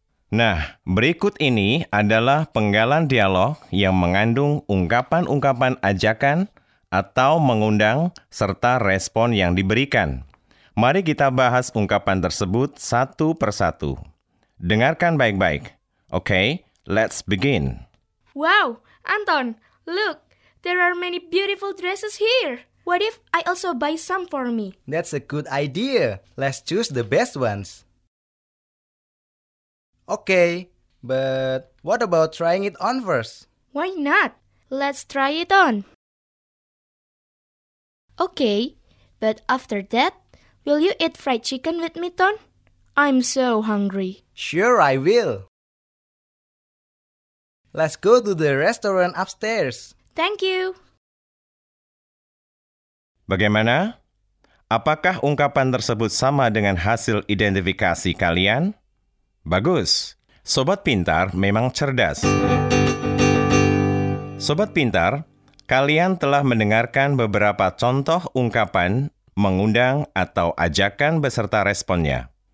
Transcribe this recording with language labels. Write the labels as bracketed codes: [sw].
[id] Nah, berikut ini adalah penggalan dialog yang mengandung ungkapan-ungkapan ajakan atau mengundang serta respon yang diberikan. Mari kita bahas ungkapan tersebut satu per satu. Dengarkan baik-baik. [en] Okay, let's begin. Wow, Anton, look, there are many beautiful dresses here. What if I also buy some for me? That's a good idea. Let's choose the best ones. Okay, but what about trying it on first? Why not? Let's try it on. Okay, but after that, will you eat fried chicken with me, Ton? I'm so hungry. Sure, I will. Let's go to the restaurant upstairs. Thank you. [id] Bagaimana? Apakah ungkapan tersebut sama dengan hasil identifikasi kalian? Bagus. Sobat pintar memang cerdas. Sobat pintar, kalian telah mendengarkan beberapa contoh ungkapan mengundang atau ajakan beserta responnya.